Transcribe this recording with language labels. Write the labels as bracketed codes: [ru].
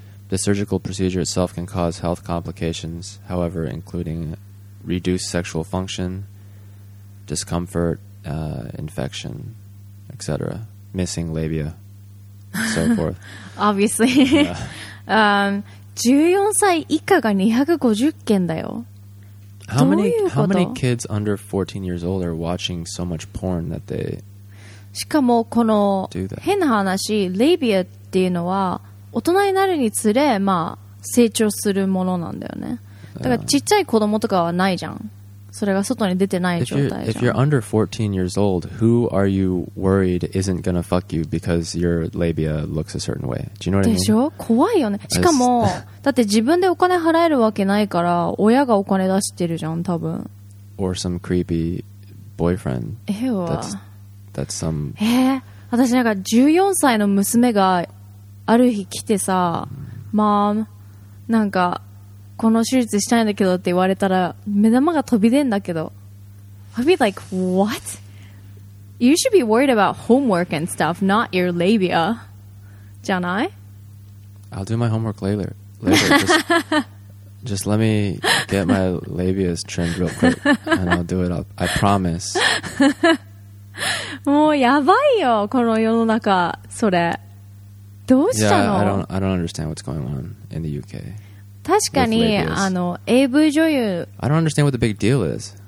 [en] The surgical procedure itself can cause health complications, however, including reduced sexual function, discomfort, infection, etc., missing labia, so forth. Obviously. Yeah. [ja] 14歳以下が250件だよ。 [en] How many kids under 14 years old are watching so much porn that they [ja] しかもこの変な話、レビアっていうのは大人になるにつれ、まあ、成長するものなんだよね。だからちっちゃい子供とかはないじゃん。それが外に出てない状態じゃん。 [en] If you're under 14 years old, who are you worried isn't gonna fuck you because your labia looks a certain way? Do you know what I mean? [ja] でしょ？怖いよね。しかも、だって自分でお金払えるわけないから、親がお金出してるじゃん、多分。 [en] Or some creepy boyfriend. Ew. That's some... [ja] 私なんか14歳の娘がある日来てさ、 [en] Mom, [ja] なんか、この手術したいんだけどって言われたら目玉が飛び出んだけど [en] I'd be like, what? You should be worried about homework and stuff, not your labia. [ja] じゃない？ [en] I'll do my homework later. just let me get my labias trimmed real quick and I'll do it up. I promise. [ja] もうやばいよ、この世の中、それ。どうしたの？ [en] Yeah, I don't understand what's going on in the UK. [ja] 確かにあの AV 女優 [en] I don't understand what the big deal is.